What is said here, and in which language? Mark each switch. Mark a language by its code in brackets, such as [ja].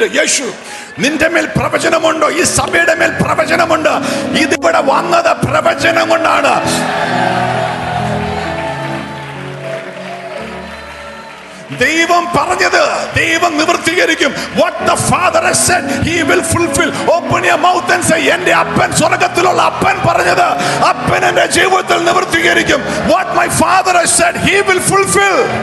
[ml] യേശു, നിന്റെ മേൽ പ്രവചനമുണ്ടോ? ഈ സഭയുടെ മേൽ പ്രവചനമുണ്ട്. ഇത് ഇവിടെ വന്നത് പ്രവചനം കൊണ്ടാണ്. ദൈവം പറഞ്ഞത് ദൈവം നിവർത്തീകരിക്കും. [en] What the Father has said, He will fulfill. Open your mouth and say, [ml] എന്റെ അപ്പൻ സ്വർഗത്തിലുള്ള അപ്പൻ പറഞ്ഞത് അപ്പൻ എന്റെ ജീവിതത്തിൽ നിവർത്തീകരിക്കും. [en] What my Father has said, He will fulfill.